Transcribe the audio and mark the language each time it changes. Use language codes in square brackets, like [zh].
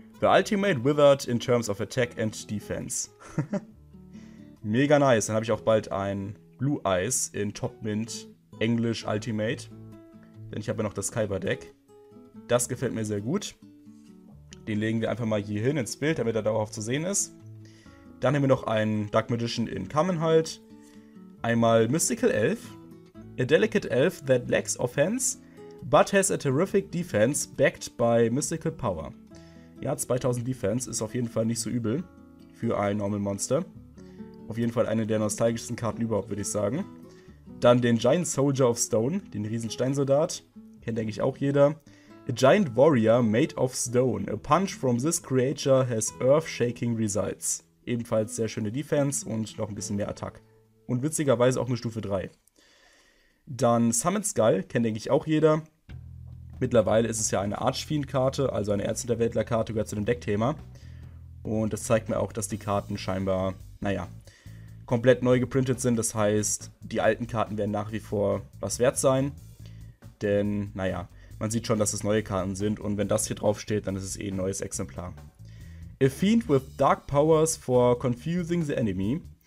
[en] The Ultimate Withered in Terms of Attack and Defense. [de] Mega nice. Dann habe ich auch bald ein Blue Eyes in Top Mint English Ultimate. Denn ich habe ja noch das Kyber Deck. Das gefällt mir sehr gut. Den legen wir einfach mal hier hin ins Bild, damit er darauf zu sehen ist. Dann haben wir noch einen Dark Magician in Kamenhalt. Einmal Mystical Elf. [en] A delicate elf that lacks offense, but has a terrific defense backed by Mystical Power. [de] Ja, 2000 Defense ist auf jeden Fall nicht so übel für ein Normal Monster. Auf jeden Fall eine der nostalgischsten Karten überhaupt, würde ich sagen. Dann den Giant Soldier of Stone, den Riesensteinsoldat. Kennt, denke ich, auch jeder. [en] A Giant Warrior made of stone. A punch from this creature has earth-shaking results. [de] Ebenfalls sehr schöne Defense und noch ein bisschen mehr Attack. Und witzigerweise auch eine Stufe 3. Dann Summoned Skull, kennt, denke ich, auch jeder. Mittlerweile ist es ja eine Archfiend-Karte, also eine Erzunterwäldler-Karte, gehört zu dem Deckthema. Und das zeigt mir auch, dass die Karten scheinbar, naja, komplett neu geprintet sind. Das heißt, die alten Karten werden nach wie vor was wert sein. Denn, naja, man sieht schon, dass es neue Karten sind. Und wenn das hier draufsteht, dann ist es eh ein neues Exemplar. [en] A Fiend with Dark Powers for Confusing the Enemy.